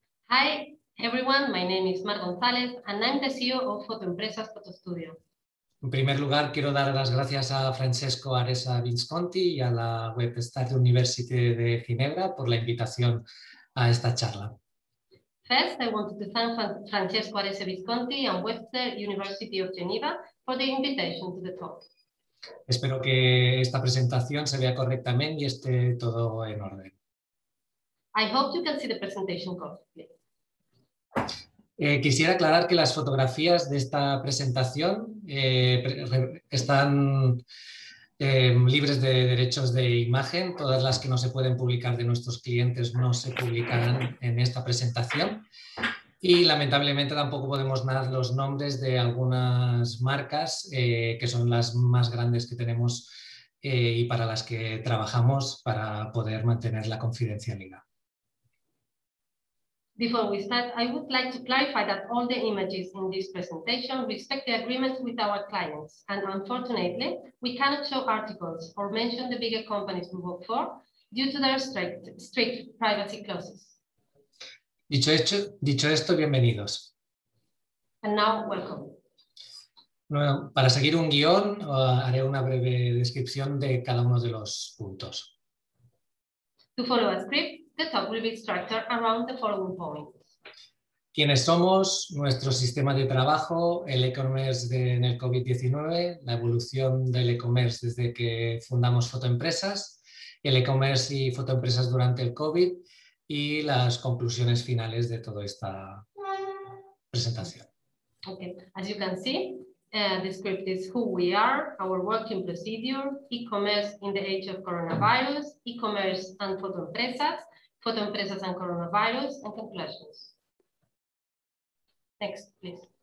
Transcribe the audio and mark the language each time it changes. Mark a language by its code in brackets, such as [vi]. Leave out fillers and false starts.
[en] Hi everyone, my name is Mar González and I'm the CEO of Fotoempresas Foto Estudio. [es] En primer lugar, quiero dar las gracias a Francesco Aresa Visconti y a la Web Start University de Ginebra por la invitación a esta charla. [en] First, I wanted to thank Francesco Aresa Visconti and Webster University of Geneva for the invitation to the talk. [es] Espero que esta presentación se vea correctamente y esté todo en orden. [en] I hope you can see the presentation correctly. [es] Quisiera aclarar que las fotografías de esta presentación están libres de derechos de imagen. Todas las que no se pueden publicar de nuestros clientes no se publicarán en esta presentación. Y lamentablemente tampoco podemos dar los nombres de algunas marcas que son las más grandes que tenemos y para las que trabajamos para poder mantener la confidencialidad. [en] Before we start, I would like to clarify that all the images in this presentation respect the agreements with our clients. And unfortunately, we cannot show articles or mention the bigger companies we work for due to their strict privacy clauses. [es] Dicho esto, bienvenidos. [en] And now, welcome. [es] Bueno, para seguir un guión, haré una breve descripción de cada uno de los puntos. [en] To follow a script, the talk will be structured around the following points. [es] ¿Quiénes somos? Nuestro sistema de trabajo, el e-commerce en el COVID-19, la evolución del e-commerce desde que fundamos Fotoempresas, el e-commerce y Fotoempresas durante el COVID, y las conclusiones finales de toda esta presentación. [en] Okay, as you can see, the script is who we are, our working procedure, e-commerce in the age of coronavirus, e-commerce and Fotoempresas and coronavirus, and conclusions. Next, please.